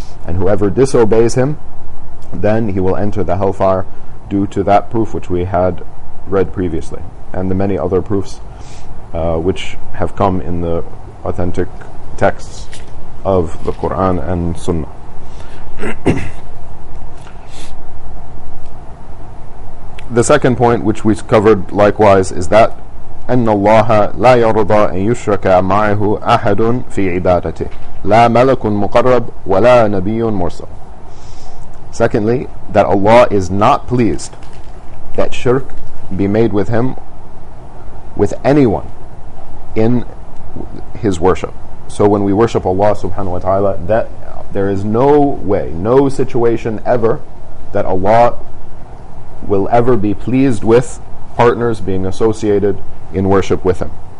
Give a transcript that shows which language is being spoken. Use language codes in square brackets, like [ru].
[en] And whoever disobeys him, then he will enter the hellfire due to that proof which we had read previously, and the many other proofs which have come in the authentic texts of the Quran and Sunnah. The second point, which we covered likewise, is that [ar] أَنَّ اللَّهَ لَا يَرْضَى أَن يُشْرَكَ مَعَهُ أَحَدٌ فِي عِبَادَتِهِ لَا مَلَكٌ مُقَرَّبٌ وَلَا نَبِيٌ مُرْسَلٌ. [en] Secondly, that Allah is not pleased that shirk be made with him, with anyone in his worship. So when we worship Allah subhanahu wa ta'ala, that there is no way, no situation ever that Allah will ever be pleased with partners being associated in worship with him.